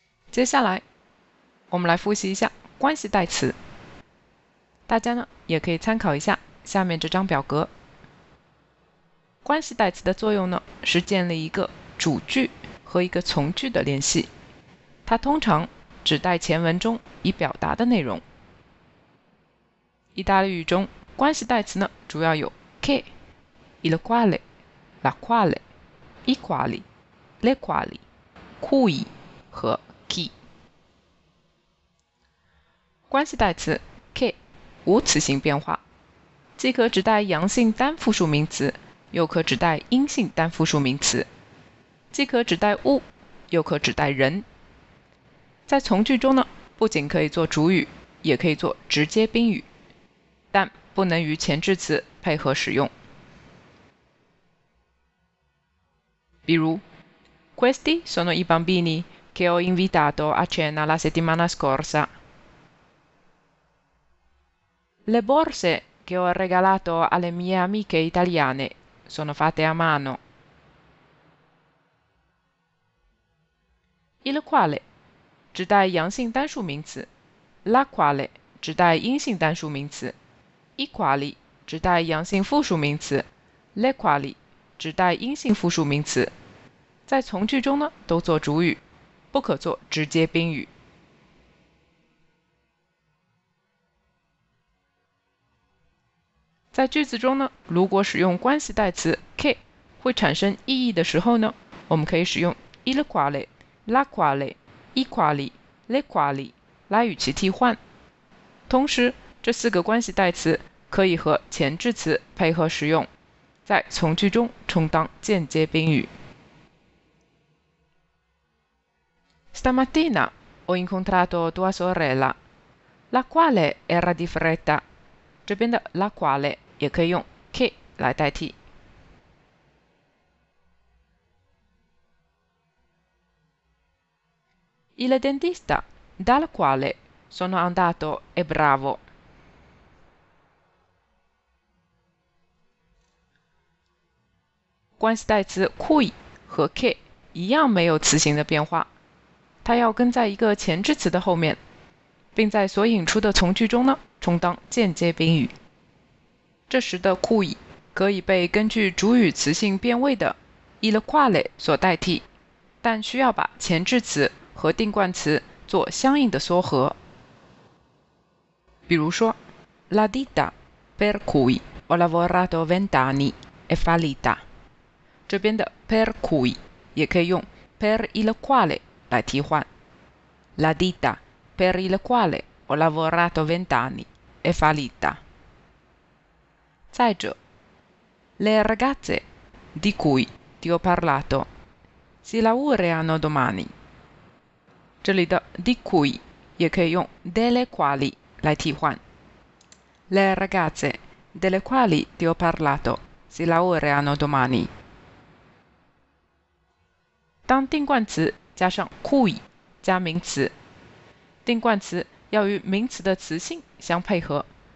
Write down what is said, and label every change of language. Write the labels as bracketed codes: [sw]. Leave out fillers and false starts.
[zh] 接下来我们来复习一下关系代词，大家呢也可以参考一下下面这张表格。关系代词的作用呢，是建立一个主句和一个从句的联系，它通常指代前文中已表达的内容。意大利语中关系代词呢，主要有 che、 il quale、 la quale、 i quali、 le quali、 cui 和chi。关系代词 che 无词性变化，既可指代阳性单复数名词，又可指代阴性单复数名词，既可指代物，又可指代人。在从句中呢，不仅可以做主语，也可以做直接宾语，但不能与前置词配合使用。 [it] 比如 questi sono i bambini che ho invitato a cena la settimana scorsa. Le borse che ho regalato alle mie amiche italiane sono fatte a mano. [zh] Il quale 指代阳性单数名词， la quale 指代阴性单数名词， i quali 指代阳性复数名词， le quali 指代阴性复数名词，在从句中呢，都做主语，不可做直接宾语。在句子中呢，如果使用关系代词 che 会产生意义的时候呢，我们可以使用 il quale、 la quale、 i quali、 le quali 来与其替换。同时这四个关系代词可以和前置词配合使用，在从句中充当间接宾语。 [it] Stamattina ho incontrato tua sorella, la quale era di fretta. [zh] 这边的 la quale 也可以用 che 来代替。 [it] Il dentista dal quale sono andato è bravo. [zh] Quanti 代词 cui 和 che 一样没有词形的变化，它要跟在一个前置词的后面，并在所引出的从句中呢，充当间接宾语。这时的 cui 可以被根据主语词性变位的 il quale 所代替，但需要把前置词和定冠词做相应的缩合。比如说 [it] la ditta per cui ho lavorato 20 anni è fallita， [zh] 这边的 per cui 也可以用 per il quale来替换。 [it] La ditta per il quale ho lavorato 20 anni è fallita. 再者, le ragazze di cui ti ho parlato si laureano domani. [zh] 这里的 di cui 也可以用 delle quali 来替换. [it] Le ragazze delle quali ti ho parlato si laureano domani. [zh] 当定冠词加上 cui 加名词，定冠词要与名词的词性相配合。